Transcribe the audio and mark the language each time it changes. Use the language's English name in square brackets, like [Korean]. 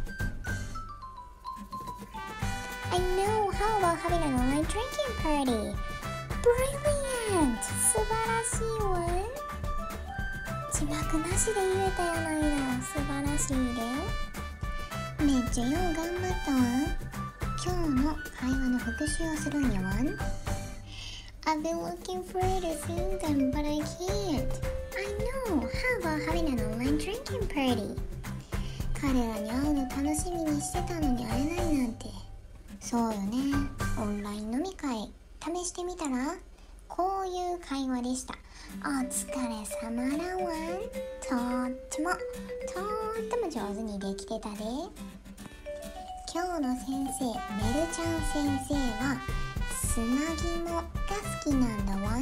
[English] 3,2,1 I know how about having an online drinking party? Brilliant! [Japanese] 素晴らしいわ。字幕なしで言えたやないの。素晴らしいで。めっちゃよう頑張ったわ。今日の会話の復習をするんやわ。 [English] I've been looking for you to sing them, but I can't. I know. How about having an online drinking party? [Japanese] 彼らに会うの楽しみにしてたのに会えないなんて。そうよね。オンライン飲み会。試してみたら？こういう会話でした。お疲れ様だわ。とっても、とっても上手にできてたで。今日の先生、メルちゃん先生は、つなぎもが好きなんだわん。